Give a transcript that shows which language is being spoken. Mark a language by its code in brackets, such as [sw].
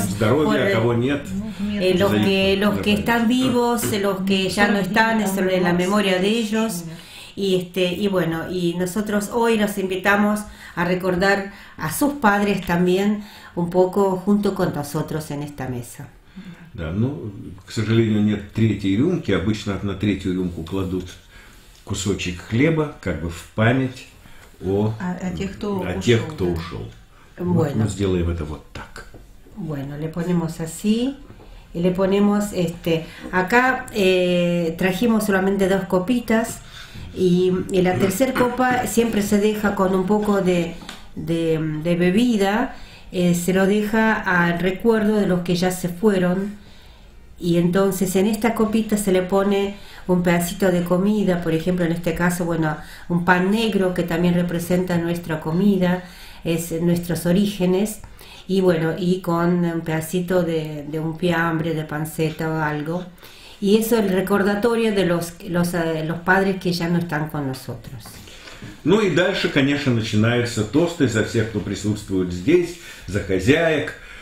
[ru] здоровье, у кого нет. [es] Los que están vivos, los que ya no están, es sobre la memoria de ellos. Y nosotros hoy los invitamos a recordar a sus padres también un poco junto con nosotros en esta mesa. [ru] Да, ну, к сожалению, нет третьей рюмки. Обычно на третью рюмку кладут кусочек хлеба, как бы в память. О тех, кто ушел. Bueno. Мы сделаем это вот так. [es] Bueno, le ponemos así. Y le ponemos este. Acá trajimos solamente dos copitas. Y la tercera copa siempre se deja con un poco de bebida. Se lo deja al recuerdo de los que ya se fueron. Y entonces en esta copita se le pone un pedacito de comida, por ejemplo, en este caso, bueno, un pan negro que también representa nuestra comida, es nuestros orígenes, y bueno, y con un pedacito de un fiambre, de panceta o algo, y eso es el recordatorio de los padres que ya no están con nosotros. [ru] Ну и дальше, конечно, начинаются тосты за всех, кто присутствует здесь, за хозяек.